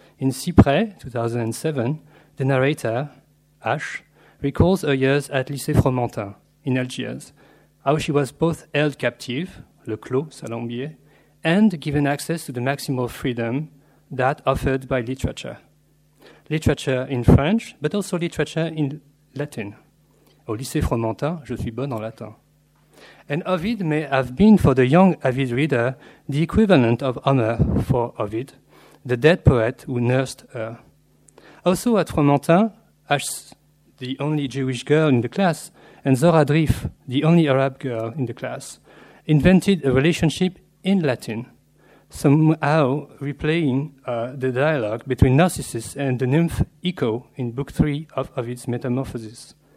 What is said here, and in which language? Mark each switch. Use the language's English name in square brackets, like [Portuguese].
[English] In Cypre, 2007, the narrator, H, recalls her years at Lycée Fromentin in Algiers, how she was both held captive, le clos, Salambier, and given access to the maximum of freedom that offered by literature. Literature in French, but also literature in Latin. [French] Au Lycée Fromentin, je suis bonne en latin. [English] And Ovid may have been, for the young Ovid reader, the equivalent of Homer for Ovid, the dead poet who nursed her. Also at Fromentin, Ash, the only Jewish girl in the class, and Zora Drif, the only Arab girl in the class, invented a relationship in Latin, somehow replaying the dialogue between Narcissus and the nymph Echo in Book 3 of Ovid's Metamorphoses.